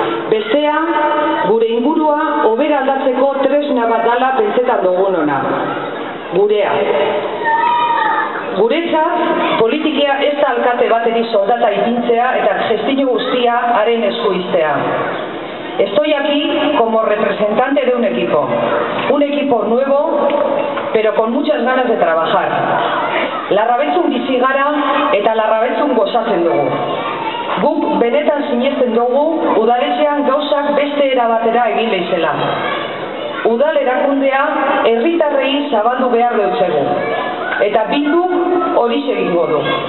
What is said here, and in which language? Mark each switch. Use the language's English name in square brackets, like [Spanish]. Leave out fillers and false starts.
[Basque] Bestea, gure ingurua hobera aldatzeko tresna bat dala pentsetan dugunona. Gurea. Guretzat, politikea ez da alkate bateri soldata ipintzea eta gestio guztia haren esku iztea. [Spanish] Estoy aquí como representante de un equipo nuevo, pero con muchas ganas de trabajar. [Basque] Larrabetzun bizi gara eta larrabetzun gozatzen dugu. Guk benetan sinesten dugu udaletxean gauzak beste era batera egin leizela. Udal erakundea herritarrei zabaldu behar dutzegu. Eta bildu hori egingo du.